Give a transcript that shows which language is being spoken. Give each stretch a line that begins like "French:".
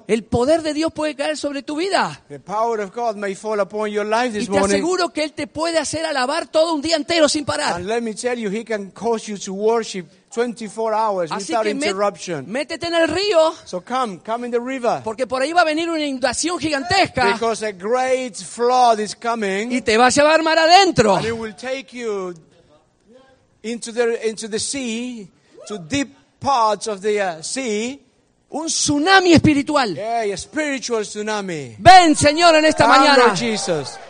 Spanish: El poder de Dios puede caer sobre tu vida.
English: The power of God may fall upon your life this morning.
Spanish: Y te aseguro que él te puede hacer alabar todo un día entero sin parar.
English: And let me tell you, he can cause you to worship 24 hours
Spanish: así
English: without interruption.
Spanish: Métete en el río.
English: So come in the river.
Spanish: Porque por ahí va a venir una inundación gigantesca.
English: Because a great flood is coming.
Spanish: Y te va a llevar mar adentro.
English: And it will take you into the sea, to deep parts of the sea.
Spanish: Un tsunami espiritual.
English: Yeah, a spiritual tsunami.
Spanish: Ven, Señor, en esta mañana.
English: Come, Lord Jesus.